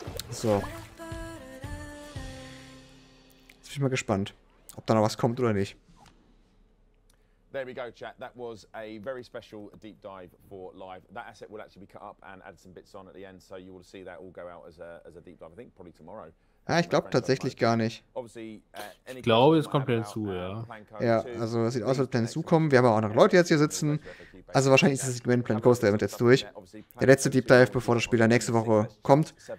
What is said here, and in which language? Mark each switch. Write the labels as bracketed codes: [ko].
[de] So. Jetzt bin ich mal gespannt, ob da noch was kommt oder nicht. [en] There we go, chat. That was a very special deep dive for live. That asset will actually be cut up and add some bits on at the end, so you will see that all go out as a deep dive, I think, probably tomorrow. [de] Ja, ich glaube tatsächlich gar nicht. Ich glaube, es kommt dann zu, ja. Ja, also es sieht aus, als ob dann zukommen. Wir haben auch noch Leute jetzt hier sitzen. Also wahrscheinlich ist das Segment Planet Coaster Event jetzt durch. Der letzte Deep Dive, bevor das Spiel dann nächste Woche kommt.